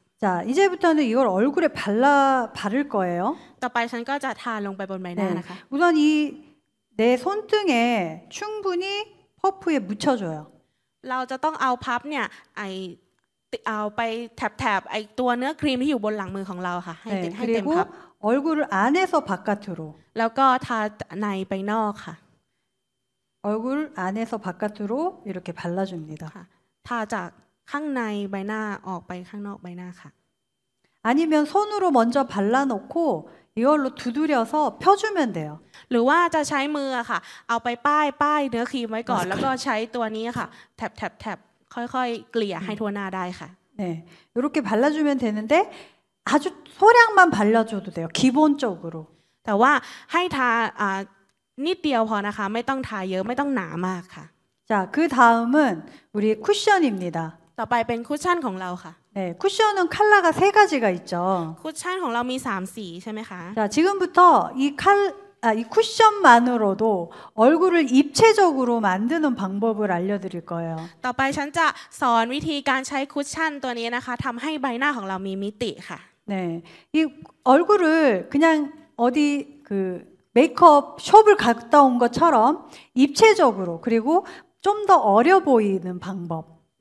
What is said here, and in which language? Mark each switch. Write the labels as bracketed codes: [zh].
[ko] 자이제부터는이걸얼굴에바를거예요 [th] ต่อไปฉันก็จะทาลงไปบนใบหน้านะคะ [ko] 우선이내손등에충분히퍼프에묻혀줘요 [th] เราจะต้องเอาพับเนี่ยไอเอาไปแถบๆไอตัวเนื้อครีมที่อยู่บนหลังมือของเราค่ะให้ติดให้เต็มพับ [ko] 얼굴을안에서바깥으로 [th] แล้วก็ทาในไปนอกค่ะ [ko] 얼굴안에서바깥으로이렇게발라줍니다 [th] ทาจากข้างในใบหน้าออกไปข้างนอกใบหน้าค่ะ [ko] 아니면손으로먼저발라놓고이걸로두드려서펴주면돼요 [th] หรือว่าจะใช้มือค่ะเอาไปป้ายเนื้อครีมไว้ก่อนแล้วก็ใช้ตัวนี้ค่ะแทบค่อยๆเกลี่ยให้ทั่วหน้าได้ค่ะ [ko] 네, 이렇게 발라주면 되는데 아주 소량만 발라줘도 돼요. 기본적으로. [th] แต่ว่าให้ทานิดเดียวพอนะคะไม่ต้องทาเยอะไม่ต้องหนามากค่ะ [ko] 자, 그 다음은 우리 쿠션입니다. [th] ต่อไปเป็นคุชชั่นของเราค่ะ [ko] 네, 쿠션은 컬러가 세 가지가 있죠. [th] คุชชั่นของเรามีสามสีใช่ไหมคะ [ko] 자, 지금부터 이 쿠션만으로도 얼굴을 입체적으로 만드는 방법을 알려드릴 거예요. [th] ต่อไปฉันจะสอนวิธีการใช้คุชชั่นตัวนี้นะคะทำให้ใบหน้าของเรามีมิติค่ะ [ko] 네, 이 얼굴을 그냥 어디 그 메이크업 숍을 갔다 온 것처럼 입체적으로 그리고 좀 더 어려 보이는 방법.